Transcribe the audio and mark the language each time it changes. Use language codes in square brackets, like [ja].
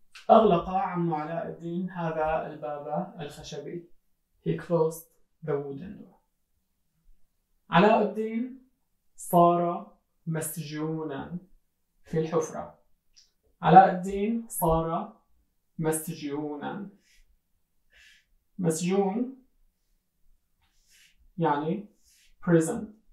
[ar] أغلق عم علاء الدين هذا الباب الخشبي. [en] He closed the wooden door. [ar] علاء الدين صار مسجونا في الحفرة. علاء الدين صار مسجونا. مسجون يعني prison.